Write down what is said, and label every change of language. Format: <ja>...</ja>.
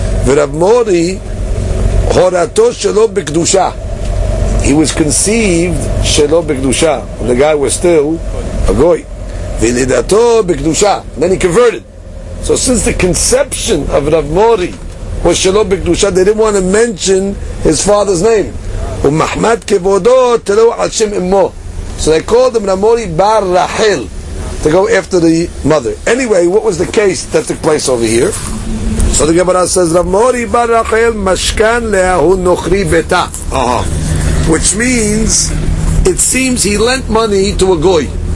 <he>V'rav mori horato shelo b'kdusha.</he> <en>He was conceived shelo b'kdusha. The guy was still a goy.</en> <he>V'lidato b'kdusha.</he> <en>Then he converted. So since the conception of Rav Mori was shelo b'kdusha, they didn't want to mention his father's name.</en> <he>ומחמד כבודו תלו על שם אמו.</he> <en>So they called him Ramori Bar Rahel, to go after the mother. Anyway, what was the case that took place over here? So the Gemara says,</en> <arc>Ramori Bar Rahel Mashkan Leahu Nochri Beta.</arc> <en>Which means, it seems he lent money to a goy.</en>